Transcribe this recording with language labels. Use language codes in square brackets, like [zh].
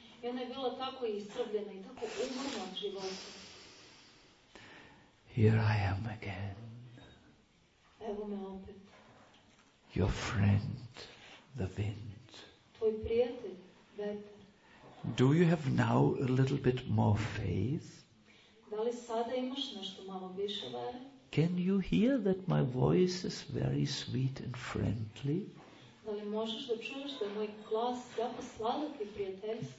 [sr] I ona je bila tako iscrpljena i tako umorna od života. [en] Here I am again. [sr] Evo me opet. [en] Your friend, the wind. [sr] Tvoj prijatelj, vetar. [en] Do you have now a little bit more faith? [sr] Da li sada imaš nešto malo više vere? [en] Can you hear that my voice is very sweet and friendly? [sr] Da li možeš da čuješ da je moj glas jako sladak i prijateljski?